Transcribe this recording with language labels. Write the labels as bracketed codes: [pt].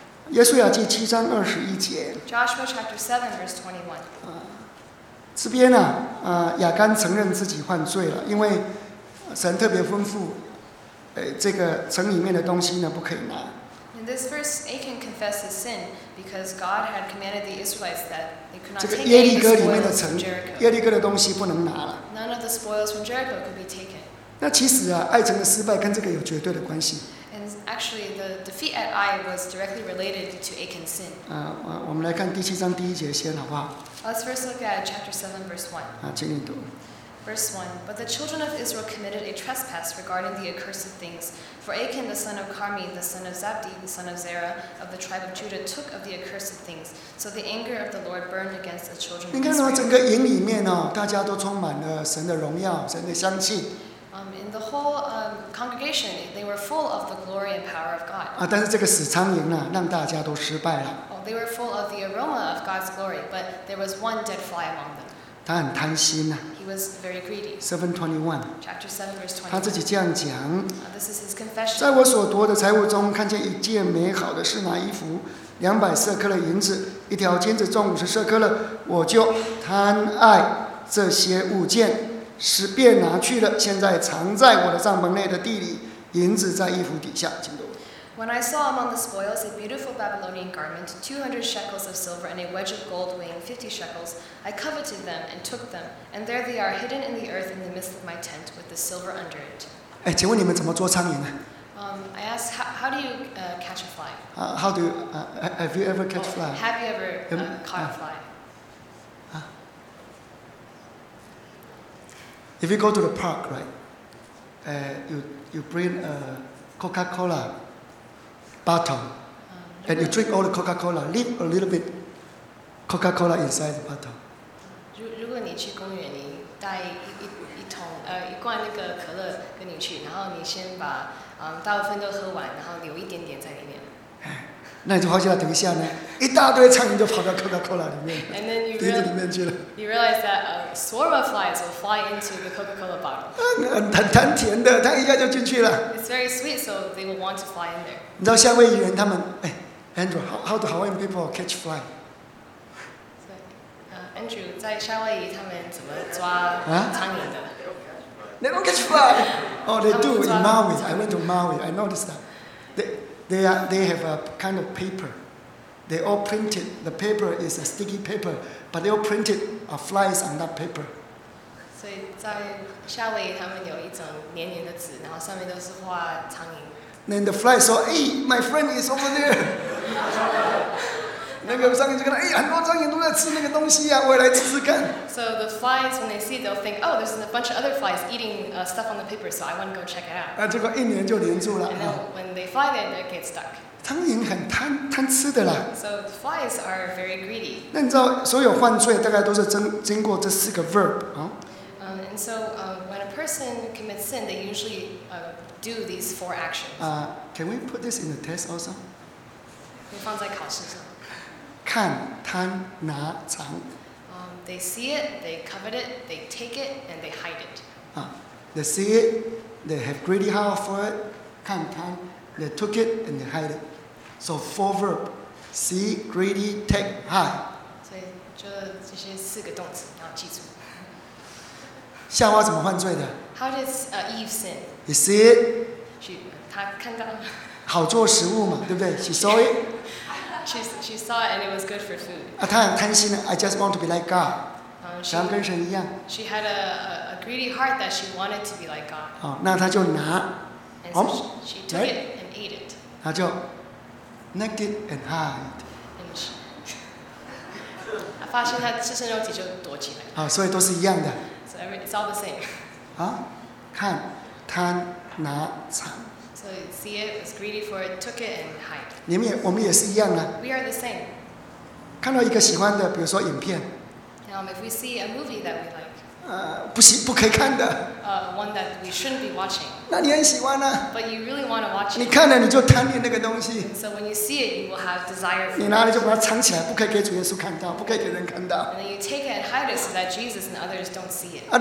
[zh] 耶稣雅记七章二十一节。 [en] Joshua chapter 7 verse 21. [zh] 这边呢、亚干承认自己犯罪了，因为神特别吩咐，这个城里面的东西呢不可以拿。 [en] In this verse, Achan confessed his sin because God had commanded the Israelites that they could not take any of the spoils from Jericho. [zh] 这个耶利哥里面的城，耶利哥的东西不能拿了。 [en] None of the spoils from Jericho could be taken. [zh] 那其实啊，爱城的失败跟这个有绝对的关系。 [en] Actually, the defeat at Ai was directly related to Achan's sin. [zh] 我们来看第七章第一节先，好不好？ [en] Let's first look at chapter 7, verse 1. [zh] 请你读。 [en] Verse 1, but the children of Israel committed a trespass regarding the accursed things. For Achan, the son of Carmi, the son of Zabdi, the son of Zerah, of the tribe of Judah, took of the accursed things. So the anger of the Lord burned against the children of Israel. [zh] 你看到整个营里面、哦、大家都充满了神的荣耀，神的香气。 [en] In the whole congregation, they were full of the glory and power of God. [zh] 但是这个死苍蝇呢，让大家都失败了。 [en] Oh, they were full of the aroma of God's glory, but there was one dead fly among them. [zh] 他很贪心呐、 [en] 啊。He was very greedy. 7:21. Chapter 7, verse 21. [zh] 他自己这样讲。 [en] This is his confession. [zh] 在我所夺的财物中，看见一件美好的是麻衣服，200 shekels银子，一条金子重50 shekels，我就贪爱这些物件，是便拿去了，现在藏在我的帐篷内的地里，银子在衣服底下。请读。 [en] When I saw among the spoils a beautiful Babylonian garment, 200 shekels of silver and a wedge of gold weighing 50 shekels, I coveted them and took them, and there they are hidden in the earth in the midst of my tent with the silver under it. [zh] 哎，请问你们怎么捉苍蝇呢？ [en] I asked, how do you catch a fly? How do you, have you ever catch a fly? Have you ever caught a fly? If you go to the park, right? You bring a Coca-Cola. Bottle, and you drink all the Coca-Cola. Leave a little bit Coca-Cola inside the bottle. [zh] 如果你去公园，你带一罐那个可乐跟你去，然后你先把大部分都喝完，然后留一点点在里面。那你就发现了，等一下呢，一大堆苍蝇就跑到 Coca-Cola 里面，鼻子里面去了。 [en] You realize that a swarm of flies will fly into the Coca-Cola bottle. [zh] 很甜的，它一下就进去了。 [en] It's very sweet, so they will want to fly in there. [zh] 你知道夏威夷人他们哎 [en] ，Andrew， how do Hawaiian people catch fly？ [zh] Andrew 在夏威夷他们怎么抓苍蝇的 [en] ？They don't catch fly. Oh, they do in Maui. I went to Maui. I noticed that. They have a kind of paper. They all printed. The paper is a sticky paper, but they all printed a flies on that paper. [zh] 所以在夏威夷他们有一张黏黏的纸，然后上面都是画苍蝇。 [en] Then the fly saw, "Hey, my friend is over there." [zh] 那个苍蝇就跟他，哎，很多苍蝇都在吃那个东西呀、啊，我也来吃吃看。 [en] So the flies, when they see, they'll think, "Oh, there's a bunch of other flies eating stuff on the paper, so I want to go check it out." [zh] 那结果一年就黏住了。 [en] And then when they fly, then they get stuck. [zh] 苍蝇很贪吃的啦。 [en] So flies are very greedy. [zh] 那你知道，所有犯罪大概都是经过这四个 verb 啊、哦。 [en] And so when a person commits sin, they usually do these four actions. Can we put this in the test also? [zh] 你放在考试上。看、贪、拿、藏。 [en] They see it, they covet it, they take it, and they hide it. They see it, they have greedy heart for it. [zh] 看、贪、 [en] they took it and they hide it. So four verb: see, greedy, take, hide. [zh] 所以就这些四个动词，你要记住。夏娃怎么犯罪的 [en] ？How did Eve sin? You see it? [zh] 她看到好做食物嘛，对不对？ [en] She saw it. She saw it and it was good for food. [zh] 啊，她很贪心的。 [en] I just want to be like God. [zh] 想跟神一样。 [en] She had a greedy heart that she wanted to be like God. [zh] 哦，那她就拿。 [en] And so she took it and ate it. [zh] 她就 [en] naked and hide. [zh] 发现他赤身肉体就躲起来了、哦、所以都是一样的 [en] so every, it's all the same、 [zh] 啊、看贪拿藏 [en] so see it was greedy for it took it and hide [zh] 你们也我们也是一样的 [en] we are the same [zh] 看到一个喜欢的比如说影片 [en] now if we see a movie that we like [zh] 不行不可以看的 [en] one that we shouldn't be watching [zh] 那你很喜欢啊 [en] but you really want to watch it [zh] 你看了你就贪恋那个东西 [en] so when you see it you will have desire for [zh] it 你拿了就把它藏起来不可以给主耶稣看到不可以给人看到 [en] and then you take it and hide it so that Jesus and others don't see it